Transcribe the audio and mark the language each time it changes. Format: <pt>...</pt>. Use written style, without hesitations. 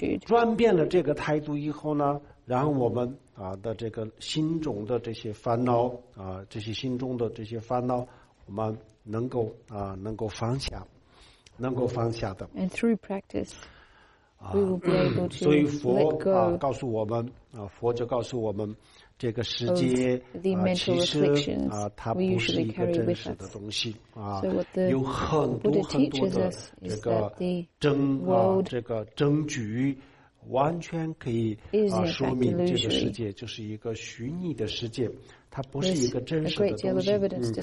<zh>转变了这个态度以后呢，然后我们的这个心中的这些烦恼这些心中的这些烦恼，我们能够能够放下，能够放下的。</zh> <en>And through practice, we will be able to let go.</en> <zh>所以佛告诉我们佛就告诉我们，这个世界其实它不是一个真实的东西有很多很多的这个证这个证据，完全可以说明这个世界就是一个虚拟的世界，它不是一个真实的东西。</zh>